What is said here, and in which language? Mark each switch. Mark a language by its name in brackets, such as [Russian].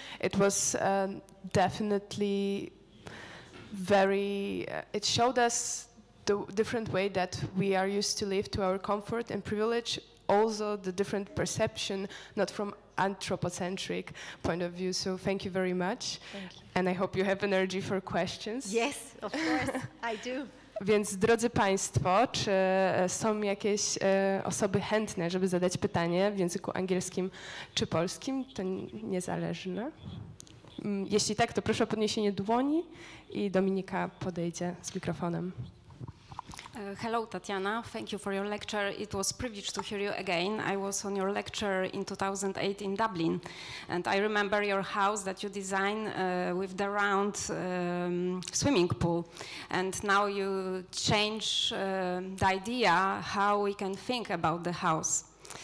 [English] It was definitely very, it showed us the different way that we are used to live, to our comfort and privilege, also the different perception, not from anthropocentric point of view. So thank you very much. Thank you. And I hope you have energy for questions. Yes, of course, I do. [Polish] Więc drodzy Państwo, czy są jakieś osoby chętne, żeby zadać pytanie w języku angielskim czy polskim? To niezależne. Jeśli tak, to proszę o podniesienie dłoni i Dominika podejdzie z mikrofonem. [English] Hello, Tatiana. Thank you for your lecture. It was a privilege to hear you again. I was on your lecture in 2008 in Dublin, and I remember your house that you designed with the round swimming pool. And now you change the idea how we can think about the house.